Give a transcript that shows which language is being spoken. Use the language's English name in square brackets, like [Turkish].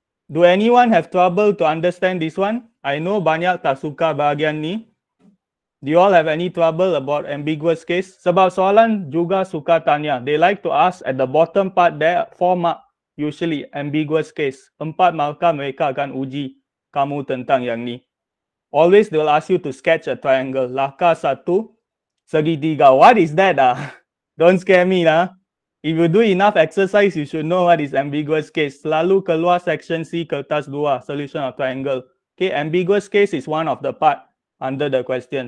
[English] Do anyone have trouble to understand this one? I know [Malay] banyak tak suka bahagian ni. [English] Do you all have any trouble about ambiguous case? [Malay] Sebab soalan juga suka tanya. [English] They like to ask at the bottom part there, 4 mark, usually ambiguous case. [Malay] 4 markah mereka akan uji kamu tentang yang ni. [English] Always they will ask you to sketch a triangle. [Malay] Laka satu, segi tiga. [English] What is that? Don't scare me lah. If you do enough exercise, you should know what is ambiguous case. [Malay] Selalu keluar section C, kertas dua, [English] solution of triangle. Okay, ambiguous case is one of the part under the question.